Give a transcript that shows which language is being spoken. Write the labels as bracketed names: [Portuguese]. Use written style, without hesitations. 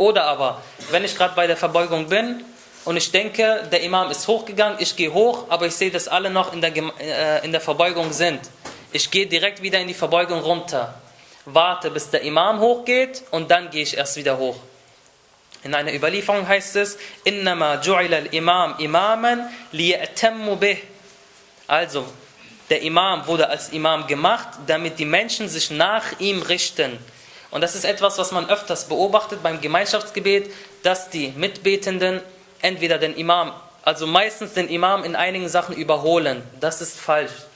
[German] Oder aber, wenn ich gerade bei der Verbeugung bin, und ich denke, der Imam ist hochgegangen, ich gehe hoch, aber ich sehe, dass alle noch in der Verbeugung sind. Ich gehe direkt wieder in die Verbeugung runter. Warte, bis der Imam hochgeht und dann gehe ich erst wieder hoch. In einer Überlieferung heißt es, [Arabic] إِنَّمَا جُعِلَ الْإِمَامِ إِمَامًا لِيَأْتَمُّ بِهِ. [German] Also, der Imam wurde als Imam gemacht, damit die Menschen sich nach ihm richten. Und das ist etwas, was man öfters beobachtet beim Gemeinschaftsgebet, dass die Mitbetenden entweder den Imam, also meistens den Imam in einigen Sachen überholen. Das ist falsch.